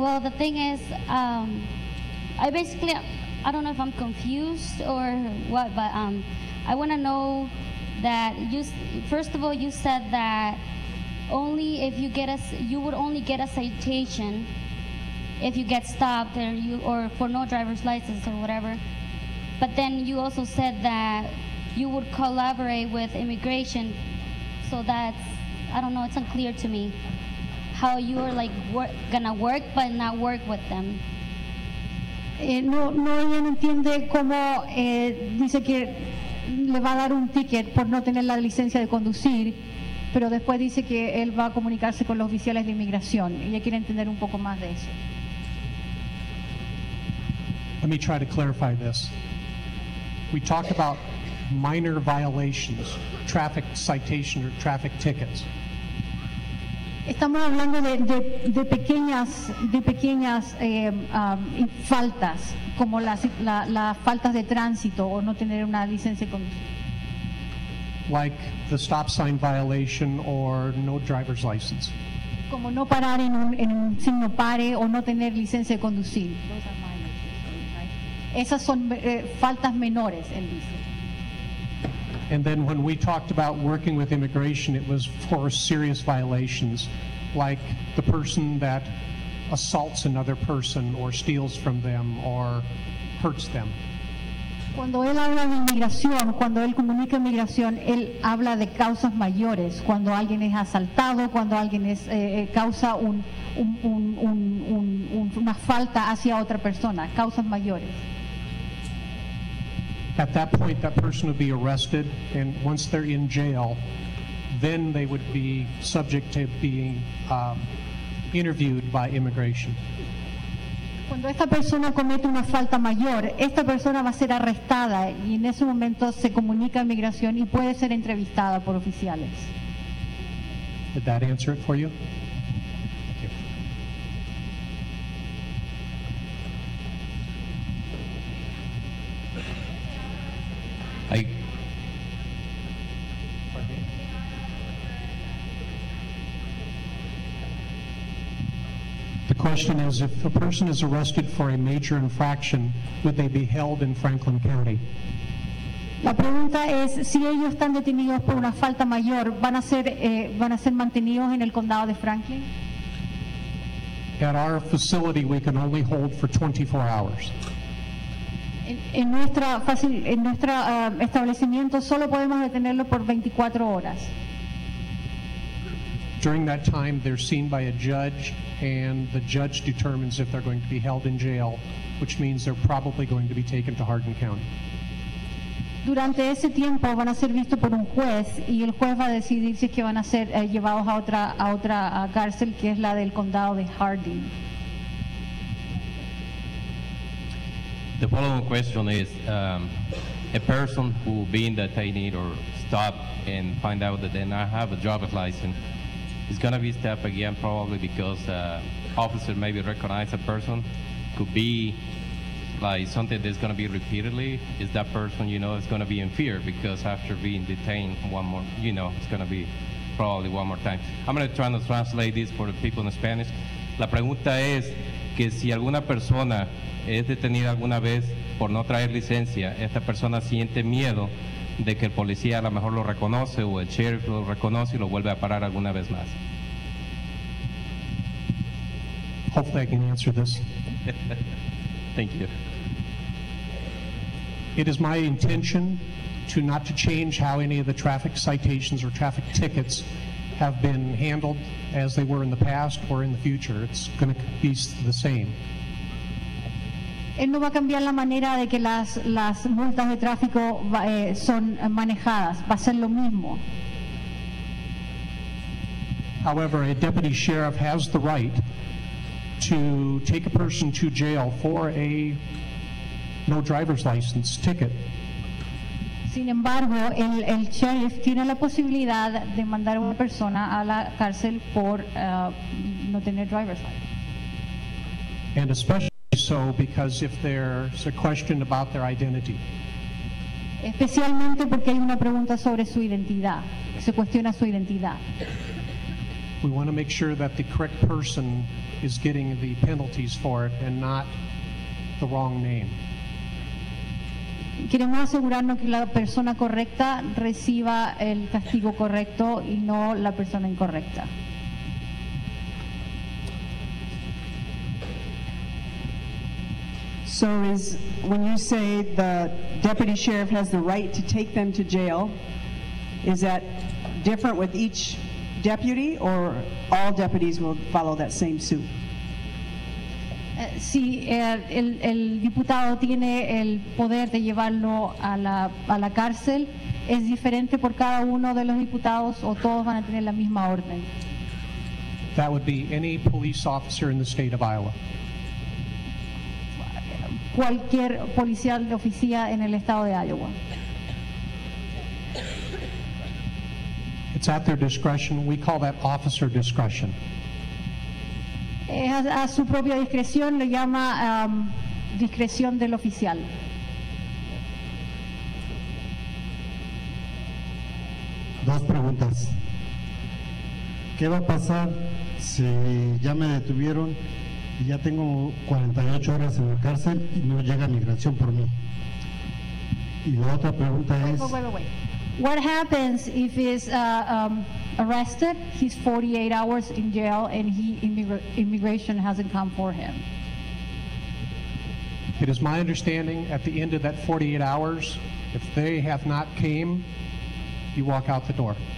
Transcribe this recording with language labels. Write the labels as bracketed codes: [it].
[en] Well, the thing is, I basically, I don't know if I'm confused or what, but I want to know that you, first of all, you said that only if you get a, you would only get a citation if you get stopped or you, or for no driver's license or whatever. But then you also said that you would collaborate with immigration. So that's, I don't know, it's unclear to me how you are like gonna work but not work with them. [es] No, ella no entiende cómo dice que le va a dar un ticket por no tener la licencia de conducir, pero después dice que él va a comunicarse con los oficiales de inmigración. Ella quiere entender un poco más de eso. [en] Let me try to clarify this. We talked about minor violations, traffic citation or traffic tickets. [es] Estamos hablando de pequeñas faltas, como las faltas de tránsito o no tener una licencia de conducir. [en] Like the stop sign violation or no driver's license. [es] Como no parar en un signo pare o no tener licencia de conducir. Esas son faltas menores, él dice. [en] And then when we talked about working with immigration, it was for serious violations, like the person that assaults another person or steals from them or hurts them. [es] Cuando él habla de inmigración, cuando él comunica inmigración, él habla de causas mayores, cuando alguien es asaltado, cuando alguien es causa una falta hacia otra persona, causas mayores. [en] At that point, that person would be arrested, and once they're in jail, then they would be subject to being interviewed by immigration. [es] Cuando esta persona comete una falta mayor, esta persona va a ser arrestada, y en ese momento se comunica a inmigración y puede ser entrevistada por oficiales. [en] Did that answer it for you? The question is, if a person is arrested for a major infraction, would they be held in Franklin County? [es] La pregunta es, si ellos están detenidos por una falta mayor, ¿van a ser mantenidos en el condado de Franklin? [en] At our facility, we can only hold for 24 hours. [es] En nuestro establecimiento solo podemos detenerlo por 24 horas. [en] During that time, they're seen by a judge, and the judge determines if they're going to be held in jail, which means they're probably going to be taken to Hardin County. [es] Durante ese tiempo van a ser vistos por un juez, y el juez va a decidir si es que van a ser llevados a otra cárcel, que es la del condado de Hardin. [en] The following question is, a person who being detained or stopped and find out that they not have a driver's license is going to be stopped again probably because officer maybe recognize a person, could be like something that's going to be repeatedly, is that person, you know, is going to be in fear because after being detained one more, you know, it's going to be probably one more time. I'm going to try to translate this for the people in Spanish. [es] La pregunta es que si alguna persona es detenida alguna vez por no traer licencia, esta persona siente miedo de que el policía a lo mejor lo reconoce o el sheriff lo reconoce y lo vuelve a parar alguna vez más. [en] Hopefully I can answer this. Thank you. It is my intention to not to change how any of the traffic citations or traffic tickets have been handled as they were in the past or in the future. It's going to be the same. [es] Él no va a cambiar la manera de que las multas de tráfico son manejadas. Va a ser lo mismo. [en] However, a deputy sheriff has the right to take a person to jail for a no driver's license ticket. [es] Sin embargo, el sheriff tiene la posibilidad de mandar a una persona a la cárcel por no tener [en] driver's license. And especially so because if there's a question about their identity. [es] Especialmente porque hay una pregunta sobre su identidad. Se cuestiona su identidad. [en] We want to make sure that the correct person is getting the penalties for it and not the wrong name. [es] Queremos asegurarnos que la persona correcta reciba el castigo correcto y no la persona incorrecta. [en] So is when you say the deputy sheriff has the right to take them to jail, is that different with each deputy or all deputies will follow that same suit? [es] Sí, el diputado tiene el poder de llevarlo a la cárcel. ¿Es diferente por cada uno de los diputados o todos van a tener la misma orden? [en] That would be any police officer in the state of Iowa. [es] Cualquier policial de oficina en el estado de Iowa. [en] It's at their discretion. We call that officer discretion. [es] Es a su propia discreción, le llama discreción del oficial. Dos preguntas. ¿Qué va a pasar si ya me detuvieron y ya tengo 48 horas en la cárcel y no llega migración por mí? Y la otra pregunta es... [en] What happens if he's arrested, he's 48 hours in jail, and immigration hasn't come for him? It is my understanding at the end of that 48 hours, if they have not came, you walk out the door.